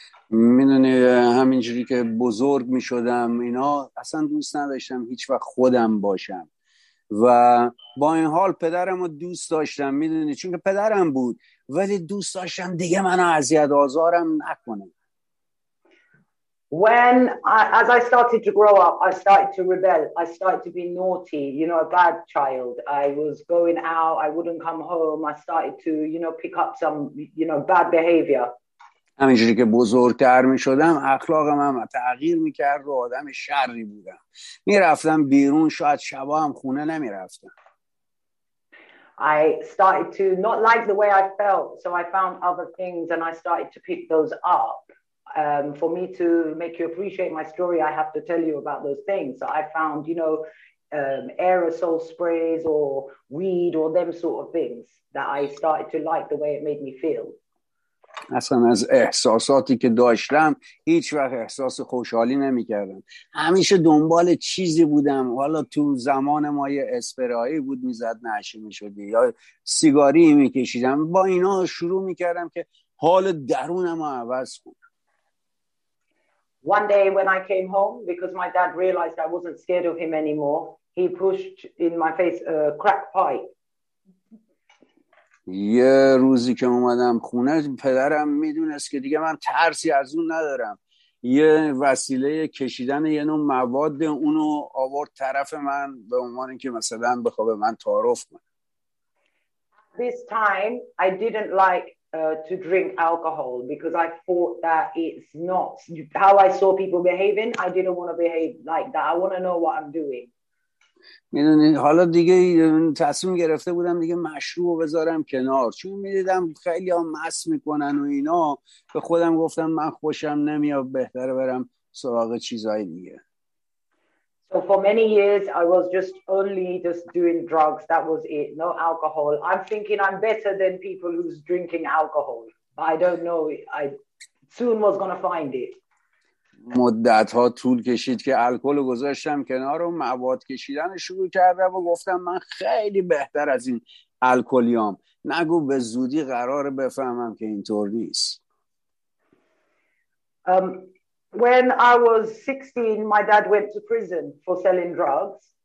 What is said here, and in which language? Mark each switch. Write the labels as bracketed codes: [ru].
[fa] میدونی همینجوری که بزرگ میشدم اینا اصلا دوست نداشتم هیچ وقت خودم باشم و با این حال پدرم رو دوست داشتم میدونی چون که پدرم بود ولی دوست داشتم دیگه منو اذیت آزارم نکنه. [en] When as I started to grow up, I started to rebel. I started to be naughty, you know, a bad child. I was going out, I wouldn't come home. I started to, you know, pick up some, you know, bad behavior. [fa] همینجوری که بزرگتر می شدم اخلاقم هم تغییر می کرد و آدم شری بودم. می رفتم بیرون شاید شبا هم خونه نمی رفتم. [en] I started to not like the way I felt, so I found other things and I started to pick those up. For me to make you appreciate my story, I have to tell you about those things. So I found, you know, aerosol sprays or weed or them sort of things that I started to like the way it made me feel. [fa] اصلا از احساساتی که داشتم هیچ وقت احساس خوشحالی نمی کردم. همیشه دنبال چیزی بودم. حالا تو زمان ما یه اسپرایی بود می زد نشه می شدی یا سیگاری می کشیدم. با اینا شروع می کردم که حال درونم رو عوض کنم. [en] One day when I came home, because my dad realized I wasn't scared of him anymore, he pushed in my face a crack pipe. [fa] یه روزی که اومدم خونه پدرم میدونست که دیگه من ترسی از اون ندارم یه وسیله کشیدن یه نوع مواد اونو آورد طرف من به عنوان اینکه مثلا بخوا به من تعارف کنه. [en] This time I didn't like to drink alcohol because I thought that it's not how I saw people behaving. I didn't want to behave like that. I want to know what I'm doing. [fa] میدونی حالا دیگه تصمیم گرفته بودم دیگه مشروب رو بذارم کنار چون میدیدم خیلی ها مست میکنن و اینا به خودم گفتم من خوشم نمیاد بهتر برم سراغ چیزهای دیگه. [en] So for many years I was just only just doing drugs, that was it, no alcohol. I'm thinking I'm better than people who's drinking alcohol, but I don't know, I soon was gonna find it. [fa] مدت ها طول کشید که الکل رو گذاشتم کنار و مواد کشیدن رو شروع کردم و گفتم من خیلی بهتر از این الکلیام. نگو به زودی قرار بفهمم که اینطور نیست. [en] When I was 16 my dad went to prison for selling drugs.